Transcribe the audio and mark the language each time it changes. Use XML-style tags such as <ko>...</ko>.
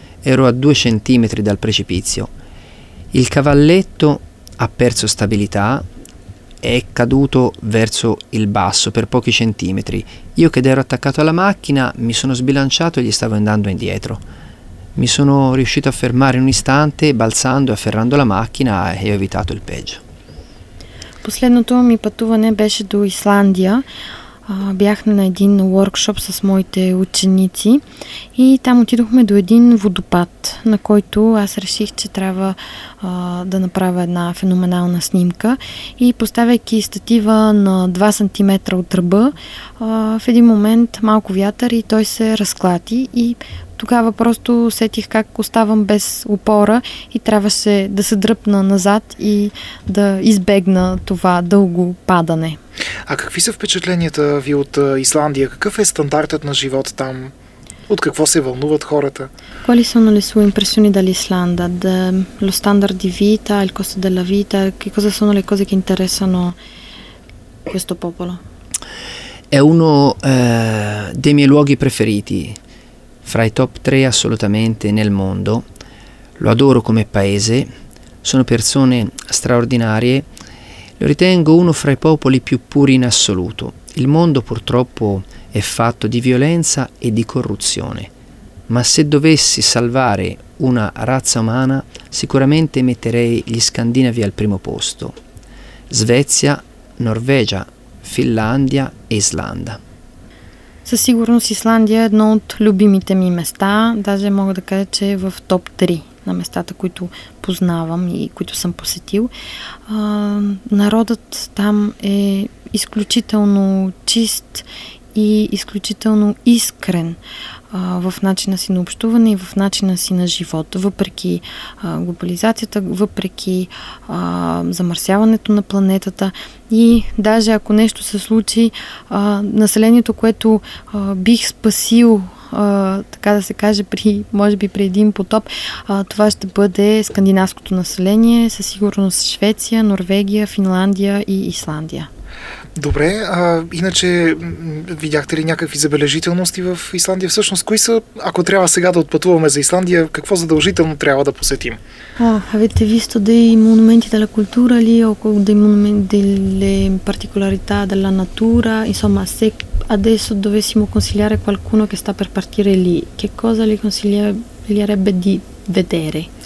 <it>Ero a 2 centimetri dal precipizio. Il cavalletto ha perso stabilità, è caduto verso il basso per pochi centimetri. Io che ero attaccato alla macchina mi sono sbilanciato e gli stavo andando indietro. Mi sono riuscito a fermare un istante, balzando e afferrando la macchina e ho evitato il peggio.</it> <bg>Последното ми пътуване беше до Исландия. Бях на един workshop с моите ученици и там отидохме до един водопад, на който аз реших, че трябва да направя една феноменална снимка и поставяйки статива на 2 см от ръба, в един момент малко вятър и той се разклати и Тогава просто усетих как оставам без опора и трябваше да се дръпна назад и да избегна това дълго падане. А какви са впечатленията ви от Исландия? Какъв е стандартът на живот там? От какво се вълнуват хората?</bg> <it>Quali sono le sue impressioni dall'Islanda? Lo standard di vita, il costo della vita, che cosa sono le cose che interessano questo popolo? È uno dei miei luoghi preferiti, fra i top 3 assolutamente nel mondo. Lo adoro come paese, sono persone straordinarie. Lo ritengo uno fra i popoli più puri in assoluto. Il mondo purtroppo è fatto di violenza e di corruzione. Ma se dovessi salvare una razza umana, sicuramente metterei gli Scandinavi al primo posto. Svezia, Norvegia, Finlandia e Islanda.</it> <bg>Със сигурност Исландия е едно от любимите ми места, даже мога да кажа, че е в топ 3 на местата, които познавам и които съм посетил. Народът там е изключително чист и изключително искрен в начина си на общуване и в начина си на живот, въпреки глобализацията, въпреки замърсяването на планетата. И даже ако нещо се случи, населението, което бих спасил, така да се каже, може би при един потоп, това ще бъде скандинавското население, със сигурност Швеция, Норвегия, Финландия и Исландия. Добре, иначе видяхте ли някакви забележителности в Исландия? Всъщност, кои са, ако трябва сега да отпътуваме за Исландия, какво задължително трябва да посетим?</bg> <it>Avete visto dei monumenti della cultura lì o dei monumenti delle particolarità della natura? Insomma, se adesso dovessimo consigliare qualcuno che sta per partire lì, che cosa le consiglierebbe di vedere,</it>